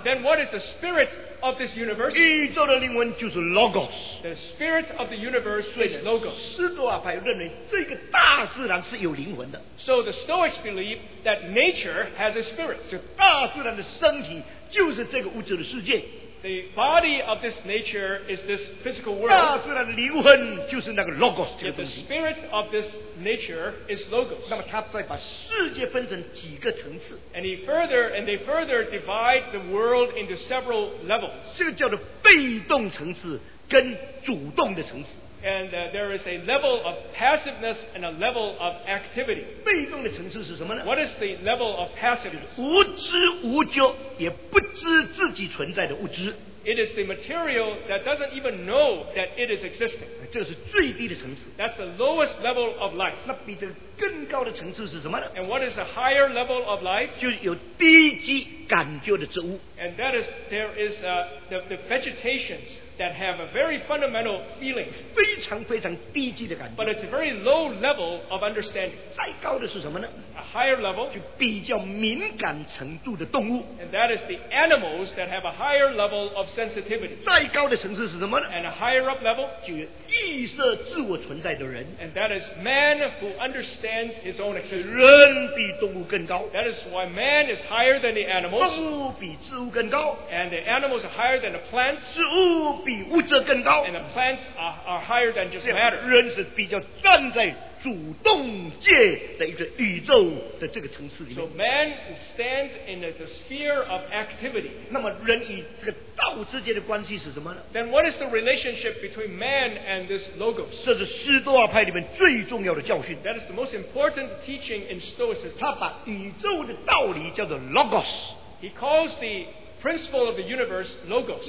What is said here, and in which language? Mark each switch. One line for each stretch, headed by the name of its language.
English: Then what is the spirit of this universe?
Chinese: 宇宙的灵魂就是 logos.
English: The spirit of the universe is logos.
Chinese: 斯多亚派认为这个大自然是有灵魂的。
English: So the Stoics believe that nature has a spirit.
Chinese: 这大自然的身体就是这个物质的世界。
English: The body of this nature is this physical world.
Chinese: 大自然的灵魂就是那个 logos 这个东西。
English: The spirit of this nature is logos.
Chinese: 那么他再把世界分成几个层次。
English: And they further divide the world into several levels.
Chinese: 这个叫做被动层次跟主动的层次。
English: And there is a level of passiveness and a level of activity.
Chinese: 被动的层次是什么呢？
English: What is the level of passiveness?
Chinese: 无知无觉，也不知自己存在的物质。
English: It is the material that doesn't even know that it is existing.
Chinese: 这是最低的层次。
English: That's the lowest level of life.
Chinese: 那比这更高的层次是什么呢？
English: And what is the higher level of life?
Chinese: 就有低级感觉的植物。
English: And that is, there is the vegetations that have a very fundamental feeling.
Chinese: 非常非常低级的感觉。
English: But it's a very low level of understanding.
Chinese: 再高的是什么呢？
English: A higher level.
Chinese: 就比较敏感程度的动物。
English: And that is the animals that have a higher level of sensitivity.
Chinese: 再高的层次是什么呢？
English: And a higher up level.
Chinese: 就有意识自我存在的人。
English: And that is man who understands his own existence.
Chinese: 人比动物更高。
English: That is why man is higher than the animals.
Chinese: 动物比植物更高。
English: And the animals are higher than the plants.
Chinese: 植物比物质更高。
English: And the plants are higher than just matter.
Chinese: 人是比较站在主动界的一个宇宙的这个层次里面。
English: So man stands in the sphere of activity.
Chinese: 那么人与这个道之间的关系是什么呢？
English: Then what is the relationship between man and this logos?
Chinese: 这是斯多亚派里面最重要的教训。
English: That is the most important teaching in Stoicism.
Chinese: 他把宇宙的道理叫做 logos.
English: He calls the principle of the universe logos.